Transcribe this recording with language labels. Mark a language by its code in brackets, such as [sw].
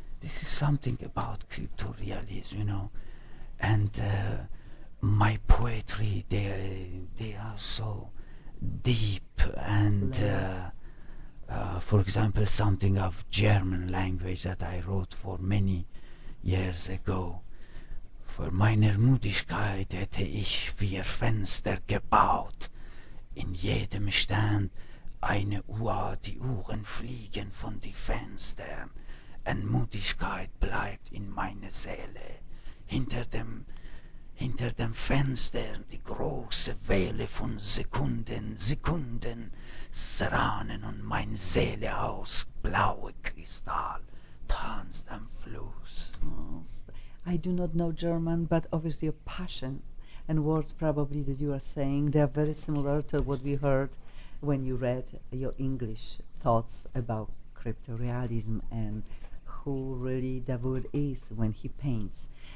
[en] This is something about crypto-realism, you know. And my poetry, they are so deep. And for example, something of German language that I wrote for many years ago. [de] Für meine Müdigkeit hätte ich vier Fenster gebaut. In jedem Stern eine Uhr, die Uhren fliegen von die Fenstern. Und Müdigkeit bleibt in meiner Seele. Hinter dem Fenster die große Welle von Sekunden, Serranen und meine Seele aus blauem Kristall tanzt am Fluss. [en] I do not know German, but obviously your passion and words probably that you are saying, they are very similar to what we heard when you read your English thoughts about crypto-realism and who really Davud is when he paints.